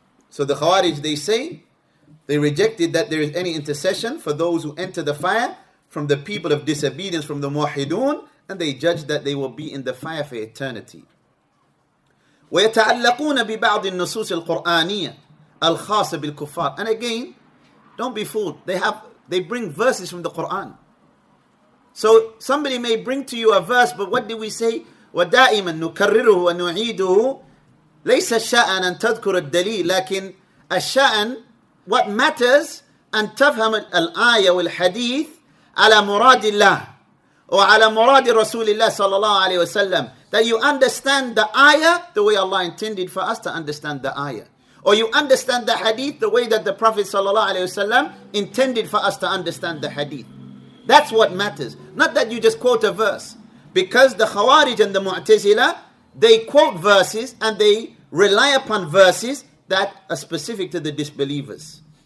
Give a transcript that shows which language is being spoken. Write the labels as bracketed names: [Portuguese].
[English] So the Khawarij, they say, they rejected that there is any intercession for those who enter the fire from the people of disobedience, from the Muwahidun, and they judge that they will be in the fire for eternity. [Arabic] وَيَتَعَلَّقُونَ بِبَعْضِ النُّصُوصِ الْقُرْآنِيَةِ الْخَاصَ بِالْكُفَّارِ. [English] And again, don't be fooled. They bring verses from the Quran. So somebody may bring to you a verse, but what do we say? [Arabic] وَدَائِمًا نُكَرِّرُهُ وَنُعِيدُهُ لَيْسَ الشَّأَنَ أَن تَذْكُرَ الدَّلِيلِ لَكِنْ الشَّأَنَ [English] what matters [Arabic] أن تفهم الآية والحديث على مراد الله وعلى مراد رسول الله صلى الله عليه وسلم. [English] That you understand the ayah the way Allah intended for us to understand the ayah. Or you understand the hadith the way that the Prophet ﷺ intended for us to understand the hadith. That's what matters. Not that you just quote a verse. Because the Khawarij and the Mu'tazila, they quote verses and they rely upon verses that are specific to the disbelievers.